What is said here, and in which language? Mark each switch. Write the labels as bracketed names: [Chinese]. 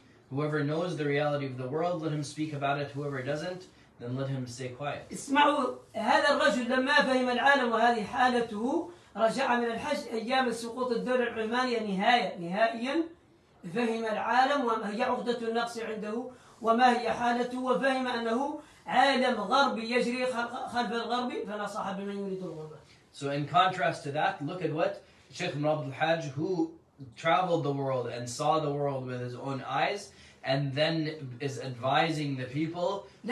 [English] Whoever knows the reality of the world, let him speak about it. Whoever doesn't, then let him stay quiet. [Arabic] اسمعوا هذا الرجل لما فهم العالم وهذه حالته رجع من الحج أيام سقوط الدولة العثمانية نهائيا فهم العالم وما هي عقدة النقص عنده وما هي حالته وفهم أنه عالم غربي يجري خلف الغرب فنصح بمن يريد الغربة. [English] So in contrast to that, look at what Sheikh Ibn Abd al-Hajj, who traveled the world and saw the world with his own eyes and then is advising the people.